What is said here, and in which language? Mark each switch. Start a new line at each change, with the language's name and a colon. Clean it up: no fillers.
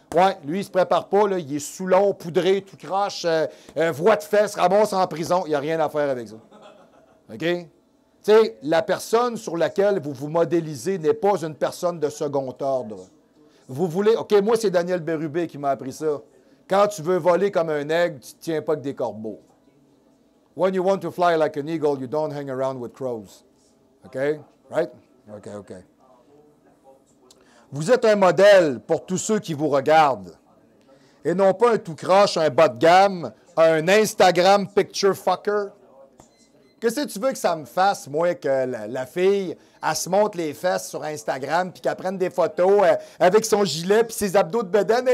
French: Ouais, lui, il se prépare pas, là, il est sous l'eau, poudré, tout croche, voix de fesse, ramasse en prison. Il n'y a rien à faire avec ça. OK? Tu sais, la personne sur laquelle vous vous modélisez n'est pas une personne de second ordre. Vous voulez... OK, moi, c'est Daniel Bérubé qui m'a appris ça. Quand tu veux voler comme un aigle, tu ne tiens pas que des corbeaux.
English: When you want to fly like an eagle, you don't hang around with crows. OK? Right? OK, OK.
French: Vous êtes un modèle pour tous ceux qui vous regardent. Et non pas un tout croche, un bas de gamme, un
English: Instagram picture fucker.
French: Qu'est-ce que tu veux que ça me fasse, moi, que la fille, elle se montre les fesses sur Instagram puis qu'elle prenne des photos avec son gilet puis ses abdos de bedaine.